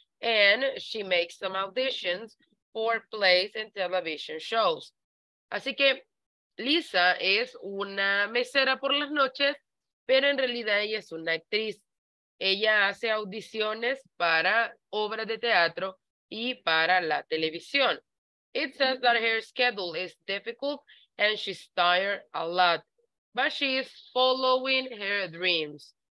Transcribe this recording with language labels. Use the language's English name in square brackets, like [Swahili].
[English] And she makes some auditions for plays and television shows. [Spanish] Así que Lisa es una mesera por las noches, pero en realidad ella es una actriz. Ella hace audiciones para obras de teatro y para la televisión. [English] It says that her schedule is difficult and she's tired a lot, but she is following her dreams.